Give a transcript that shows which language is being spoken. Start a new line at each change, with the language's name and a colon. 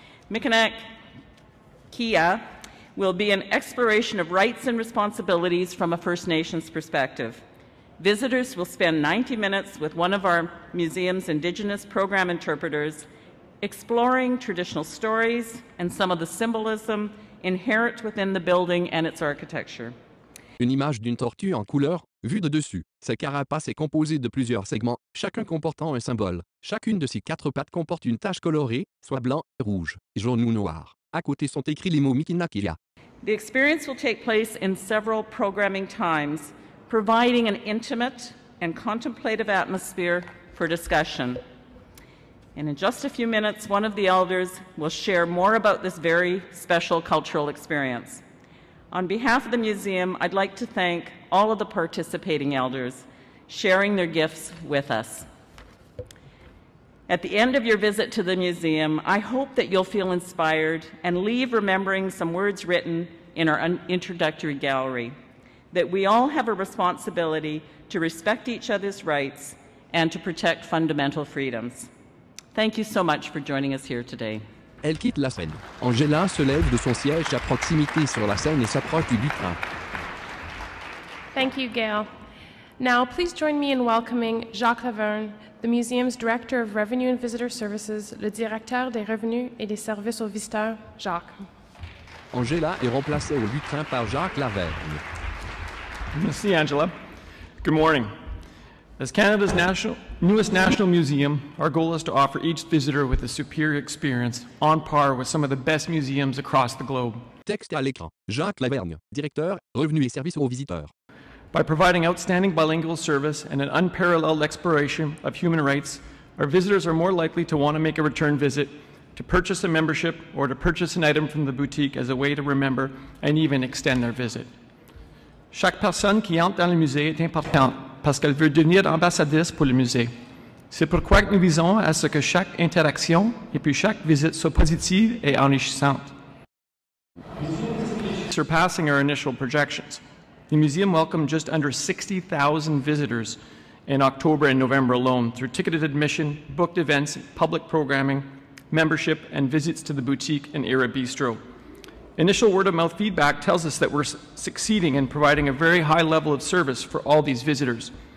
English: Mi'kmaq Kia will be an exploration of rights and responsibilities from a First Nations perspective. Visitors will spend 90 minutes with one of our museum's Indigenous program interpreters, exploring traditional stories and some of the symbolism inherent within the building and its architecture.
French: Une image d'une tortue en couleur, vue de dessus. Sa carapace est composée de plusieurs segments, chacun comportant un symbole. Chacune de ses quatre pattes comporte une tache colorée, soit blanc, rouge, jaune ou noir. À côté sont écrits les mots Mi'kmaq Kia.
English: The experience will take place in several programming times, providing an intimate and contemplative atmosphere for discussion. And in just a few minutes, one of the elders will share more about this very special cultural experience. On behalf of the museum, I'd like to thank all of the participating elders sharing their gifts with us. At the end of your visit to the museum, I hope that you'll feel inspired and leave remembering some words written in our introductory gallery, that we all have a responsibility to respect each other's rights and to protect fundamental freedoms. Thank you so much for joining us here today.
French: Elle quitte la scène. Angela se lève de son siège à proximité sur la scène et s'approche du bûcheron.
English: Thank you, Gail. Now, please join me in welcoming Jacques Laverne, the museum's Director of Revenue and Visitor Services,
French: le directeur des revenus et des services aux visiteurs,
English: Jacques.
French: Angela est remplacée au lutrin par Jacques Laverne. Merci,
English: Angela. Good morning. As Canada's newest national museum, our goal is to offer each visitor with a superior experience on par with some of the best museums across the globe.
French: Texte à l'écran. Jacques Laverne, directeur, revenus et services aux visiteurs.
English: By providing outstanding bilingual service and an unparalleled exploration of human rights, our visitors are more likely to want to make a return visit, to purchase a membership, or to purchase an item from the boutique as a way to remember and even extend their visit.
French: Chaque personne qui entre dans le musée est importante parce qu'elle veut devenir ambassadrice pour le musée. C'est pourquoi nous visons à ce que chaque interaction et puis chaque visite soit positive et enrichissante.
English: Surpassing our initial projections. The museum welcomed just under 60,000 visitors in October and November alone through ticketed admission, booked events, public programming, membership, and visits to the boutique and Era Bistro. Initial word-of-mouth feedback tells us that we're succeeding in providing a very high level of service for all these visitors.